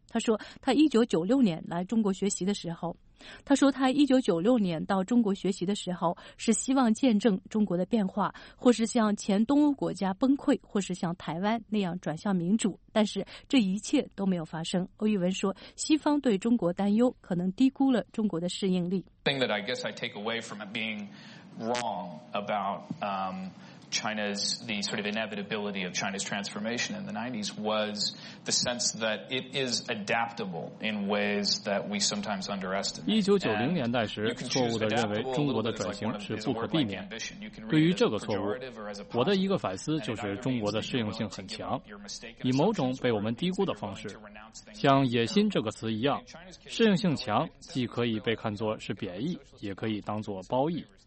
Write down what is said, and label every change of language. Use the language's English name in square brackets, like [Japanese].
[Chinese] 他说他1996年来中国学习的时候，他说他1996年到中国学习的时候是希望见证中国的变化，或是像前东欧国家崩溃，或是像台湾那样转向民主，但是这一切都没有发生。欧逸文说，西方对中国担忧可能低估了中国的适应力。 [English] The thing that I guess I take away from it being wrong about China's, the sort of inevitability of China's transformation in the 90s was the sense that it is adaptable in ways that we sometimes underestimate. [Chinese] 1990年代时，错误地认为中国的转型是不可避免。对于这个错误，我的一个反思就是中国的适应性很强，以某种被我们低估的方式，像野心这个词一样，适应性强既可以被看作是贬义，也可以当作褒义。